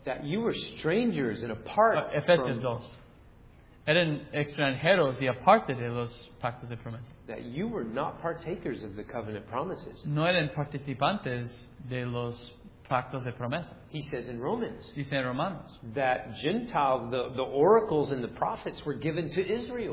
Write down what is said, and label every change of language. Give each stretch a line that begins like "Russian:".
English: That you were strangers and apart.
Spanish: Efesios 2. Eran extranjeros y aparte de los pactos de promesa.
English: That you were not partakers of the covenant promises.
Spanish: No eran participantes de los pactos de promesa.
English: He says in Romans.
Spanish: Dice en Romanos.
English: That Gentiles, the oracles and the prophets were given to Israel.